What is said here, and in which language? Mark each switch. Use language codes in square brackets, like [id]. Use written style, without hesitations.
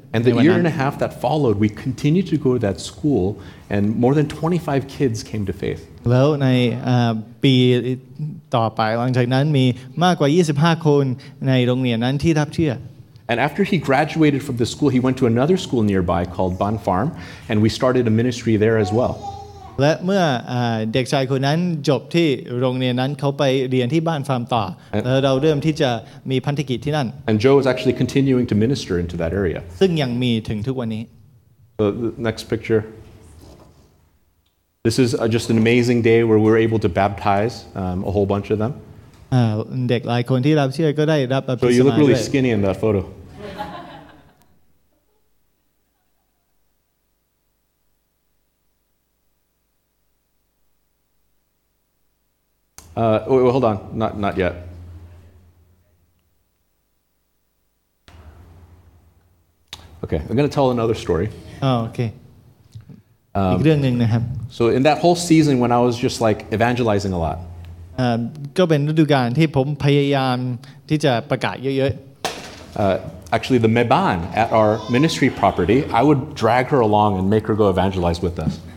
[en] And the year and a half that followed, we continued to go to that school, and more than 25 kids came to faith. [th] แล้วในปีต่อไปหลังจากนั้นมีมากกว่า25คนในโรงเรียนนั้นที่รับเชื่อ [en] And after he graduated from the school, he went to another school nearby called Bun Farm, and we started a ministry there as well. [th] และเมื่อเด็กชายคนนั้นจบที่โรงเรียนนั้นเขาไปเรียนที่บ้านฟาร์มต่อแล้วเราเริ่มที่จะมีพันธกิจที่นั่น [en] And Joe was actually continuing to minister into that area [th] ซึ่งยังมีถึงทุกวันนี้ [en] The next picture This is just an amazing day where we're able to baptize a whole bunch of them [th] เด็กหลายคนที่รับเชื่อก็ได้รับบัพติศมา [en] So you look really skinny in that photoWait, hold on. Not yet. Okay, I'm going to tell another story. Oh, okay. [th] อีกเรื่องนึงนะครับ [en] So in that whole season when I was just like evangelizing a lot. [th] ก็เป็นฤดูกาลที่ผมพยายามที่จะประกาศเยอะๆ [en] Actually, the Meban at our ministry property, I would drag her along and make her go evangelize with us.